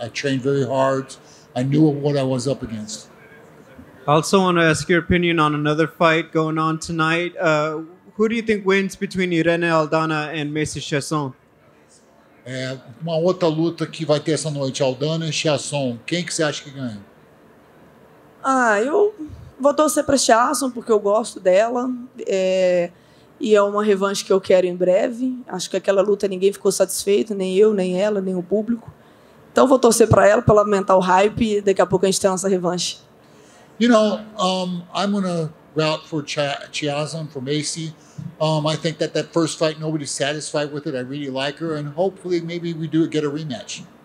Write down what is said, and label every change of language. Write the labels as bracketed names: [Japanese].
[English] I trained very hard. I knew what I was up against. I also want to ask your opinion on another fight going on tonight. Who do you think wins between Irene Aldana and Macy Chasson? [Portuguese] É, uma outra luta que vai ter essa noite, Aldana e Chasson. Quem que você acha que ganha? Ah, eu vou torcer para Chasson, porque eu gosto dela. É, e é uma revanche que eu quero em breve. Acho que aquela luta ninguém ficou satisfeito, nem eu, nem ela, nem o público. Então vou torcer para ela, para aumentar o hype, e daqui a pouco a gente tem a nossa revanche. [English] You know, I'm going to route for Chiazon, for Macy. I think that first fight, nobody's satisfied with it. I really like her, and hopefully maybe we do get a rematch.